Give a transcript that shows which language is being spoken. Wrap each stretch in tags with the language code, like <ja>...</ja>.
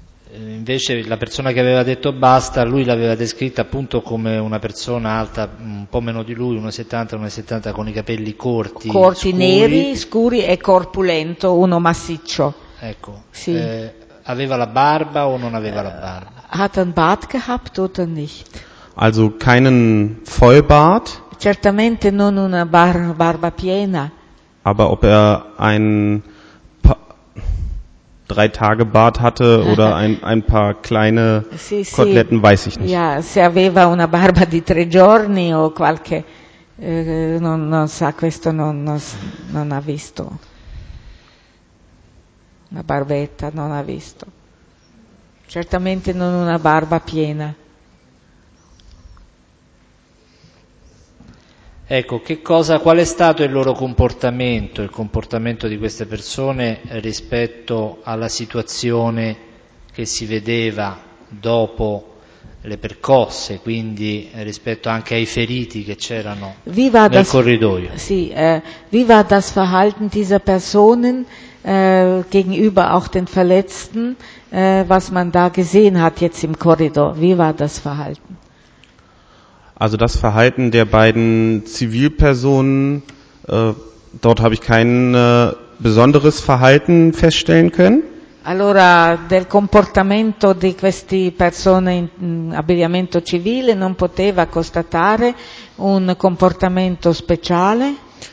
<it>Invece la persona che aveva detto basta, lui l'aveva descritta appunto come una persona alta, un po' meno di lui, 1,70-1,70, con i capelli corti. Corti scuri. Neri, scuri e corpulento, uno massiccio. Ecco. Sì. Aveva la barba o non aveva la barba?</it> <de>Hat ein Bart gehabt oder nicht? Also keinen Vollbart.</de> <it>Certamente non una barba piena.</it> <de>Aber ob er ein paar drei Tage Bart hatte oder ein paar kleine Koteletten,</de> <it>sì, sì,</it> <de>weiß ich nicht.</de> <it>Ja, se aveva una barba di tre giorni o qualche non sa questo non ha visto. Una barbetta, non ha visto. Certamente non una barba piena. Ecco, che cosa, qual è stato il loro comportamento, il comportamento di queste persone rispetto alla situazione che si vedeva dopo le percosse, quindi rispetto anche ai feriti che c'erano nel corridoio.</it> <de>Sì, wie war das Verhalten dieser Personen gegenüber auch den Verletzten, was man da gesehen hat jetzt im Korridor? Wie war das Verhalten? Also das Verhalten der beiden Zivilpersonen, dort habe ich kein besonderes Verhalten feststellen können.</de> <it>Allora, del comportamento di queste persone in abbigliamento civile non poteva constatare un comportamento speciale.</it>